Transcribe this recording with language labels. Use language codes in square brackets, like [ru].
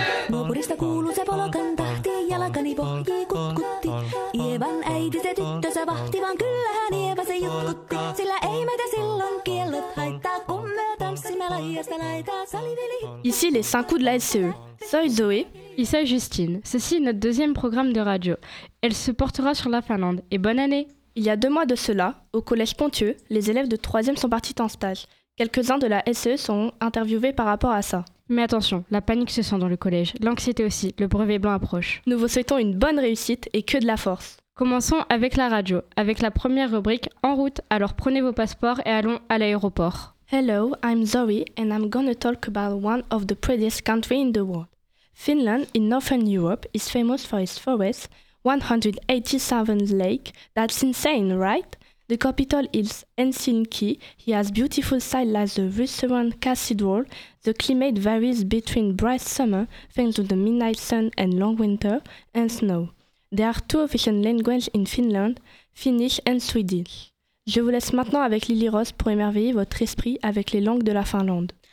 [fi] Naapurista kuuluu se polo kantahti, jalkani pohjii kutkutti. Ievan äiti se tyttönsä vahti, vaan kyllähän Ieva se jutkutti. Sillä ei meitä silloin kiellot haittaa, kun me tanssimme laijasta laitaa salivili. [fr] Ici les 5 coups de la SCE. Soy Zoé. Issa Justine. Ceci est notre deuxième programme de radio. Elle se portera sur la Finlande. Et bonne année. Il y a deux mois de cela, au collège Ponthieu, les élèves de 3e sont partis en stage. Quelques-uns de la SCE sont interviewés par rapport à ça. Mais attention, la panique se sent dans le collège, l'anxiété aussi, le brevet blanc approche. Nous vous souhaitons une bonne réussite et que de la force. Commençons avec la radio, avec la première rubrique En route. Alors prenez vos passeports et allons à l'aéroport. [en] Hello, I'm Zoe and I'm gonna talk about one of the prettiest countries in the world. Finland in Northern Europe is famous for its forests, 187 lakes, that's insane, right? The capital is Helsinki. He has beautiful sites like the Rysuren Cathedral. The climate varies between bright summer, thanks to the midnight sun and long winter, and snow. There are two official languages in Finland, Finnish and Swedish. [fr] Je vous laisse maintenant avec Lily Rose pour émerveiller votre esprit avec les langues de la Finlande.